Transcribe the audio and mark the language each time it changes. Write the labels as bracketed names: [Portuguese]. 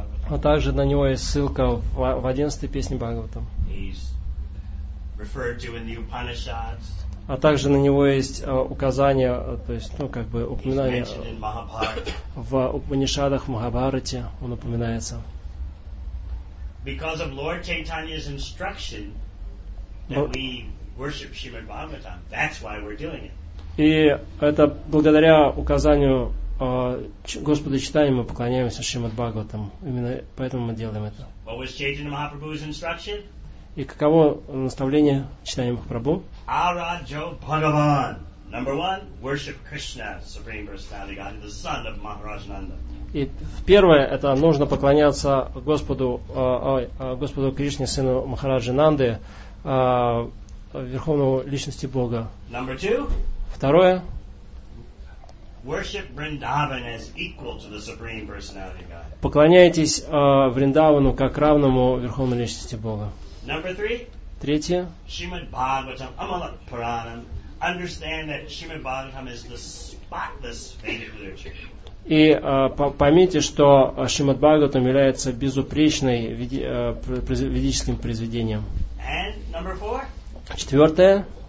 [Russian] А также на него есть ссылка в одиннадцатой песне Бхагаватам. [English] Referred to in the Upanishads. [Russian] А также на него есть указание, то есть, ну, как бы упоминание в Упанишадах, в Махабхарате он упоминается. [English] Because of Lord Chaitanya's instruction that we worship Srimad Bhagavatam, that's why we're doing it. [Russian] И это благодаря указанию Господа Чайтанья мы поклоняемся Шримад Бхагаватам. Именно поэтому мы делаем это. [English] What was Chaitanya Mahaprabhu's instruction? [Russian] И каково наставление Чайтанья Махапрабху? [English] Арджо Бхагаван. Number one, worship Krishna, Supreme Personality God, the son of Maharaj Nanda. [Russian] И первое, это нужно поклоняться Господу, Господу Кришне, сыну Махараджи Нанды, Верховному Личности Бога. [English] Number two. [Russian] Второе. [English] Worship Vrindavan as equal to the Supreme Personality God. [Russian] Поклоняйтесь Вриндавану как равному Верховной Личности Бога. [English] Number three. [Russian] Третье. [Sanskrit] Srimad Bhagavatam Amalak Puranam. [English] Understand that Srimad Bhagavatam is the spotless Vedic literature. [Russian] И поймите, что Srimad Bhagavatam является безупречным ведическим произведением. [English] And number four. [Russian] Четвертое.